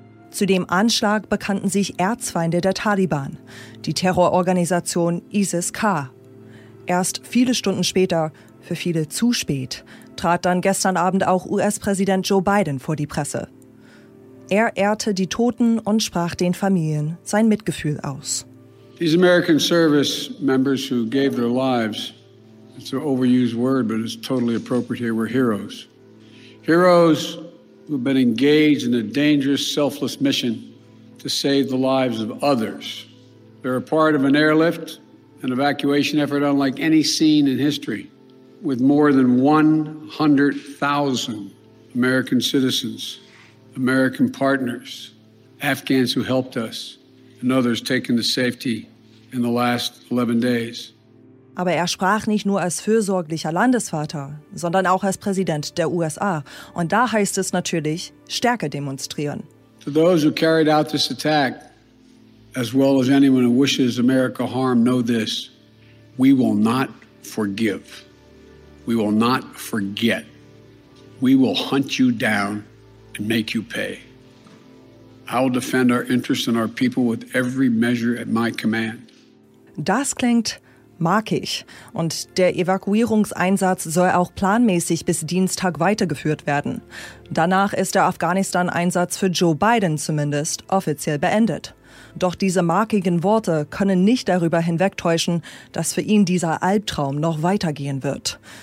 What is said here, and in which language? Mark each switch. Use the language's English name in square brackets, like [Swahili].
[German] Zu dem Anschlag bekannten sich Erzfeinde der Taliban, die Terrororganisation ISIS-K. Erst viele Stunden später, für viele zu spät, trat dann gestern Abend auch US-Präsident Joe Biden vor die Presse. Er ehrte die Toten und sprach den Familien sein Mitgefühl aus. [English] These American service members who gave their lives, it's an overused word, but it's totally appropriate here, were heroes. Heroes who've been engaged in a dangerous, selfless mission to save the lives of others. They're a part of an airlift, an evacuation effort unlike any seen in history, with more than 100,000 American citizens, American partners, Afghans who helped us, and others taking the safety in the last 11 days. [German] Aber er sprach nicht nur als fürsorglicher Landesvater, sondern auch als Präsident der USA. Und da heißt es natürlich, Stärke demonstrieren. [English] To those who carried out this attack, as well as anyone who wishes America harm, know this. We will not forgive. We will not forget. We will hunt you down and make you pay. I will defend our interests and our people with every measure at my command. [German] Das klingt markig und der Evakuierungseinsatz soll auch planmäßig bis Dienstag weitergeführt werden. Danach ist der Afghanistan-Einsatz für Joe Biden zumindest offiziell beendet. Doch diese markigen Worte können nicht darüber hinwegtäuschen, dass für ihn dieser Albtraum noch weitergehen wird.